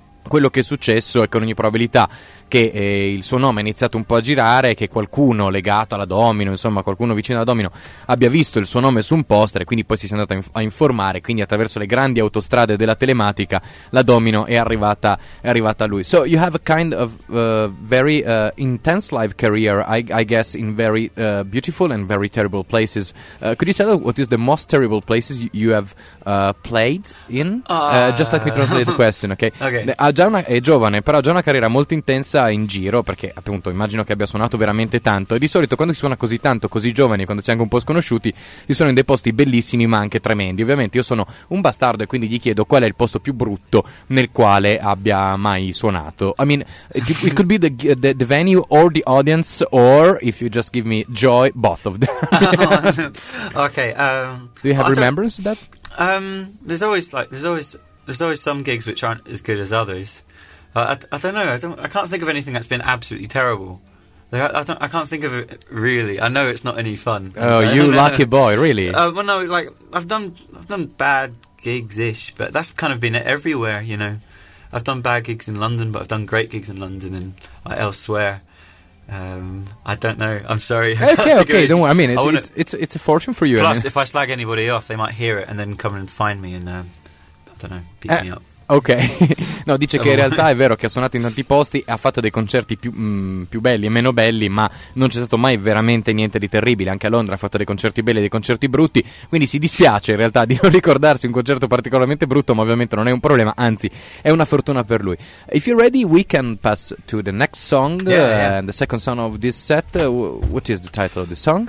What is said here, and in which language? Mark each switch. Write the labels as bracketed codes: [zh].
[it] Quello che è successo è con ogni probabilità che il suo nome ha iniziato un po' a girare, che qualcuno legato alla Domino, insomma qualcuno vicino alla Domino, abbia visto il suo nome su un poster, e quindi poi si sia andato a informare, quindi attraverso le grandi autostrade della telematica la Domino è arrivata a lui. [en] So you have a kind of very intense live career, I guess, in very beautiful and very terrible places. Could you tell us what is the most terrible places you have played in? Just let me translate the question. Okay. [it] è giovane, però ha già una carriera molto intensa in giro, perché appunto immagino che abbia suonato veramente tanto. E di solito quando si suona così tanto, così giovani, quando si è anche un po' sconosciuti, si suona in dei posti bellissimi ma anche tremendi. Ovviamente io sono un bastardo e quindi gli chiedo qual è il posto più brutto nel quale abbia mai suonato. [en] I mean, it could be the venue or the audience, or if you just give me joy, both of them. Okay. Do you have remembrance of that? There's always some gigs which aren't as good as others. I can't think of anything that's been absolutely terrible. I can't think of it really. I know it's not any fun. Oh, you lucky boy, really? I've done bad gigs-ish, but that's kind of been everywhere, you know. I've done bad gigs in London, but I've done great gigs in London and elsewhere. I don't know. I'm sorry. Okay. Don't worry. I mean, it's a fortune for you. Plus, I mean, if I slag anybody off, they might hear it and then come and find me and, I don't know, beat me up. [it] Ok, no, dice che in realtà è vero che ha suonato in tanti posti e ha fatto dei concerti più belli e meno belli, ma non c'è stato mai veramente niente di terribile. Anche a Londra ha fatto dei concerti belli e dei concerti brutti, quindi si dispiace in realtà di non ricordarsi un concerto particolarmente brutto, ma ovviamente non è un problema, anzi è una fortuna per lui. [en] If you're ready, we can pass to the next song. Yeah. The second song of this set, what is the title of the song?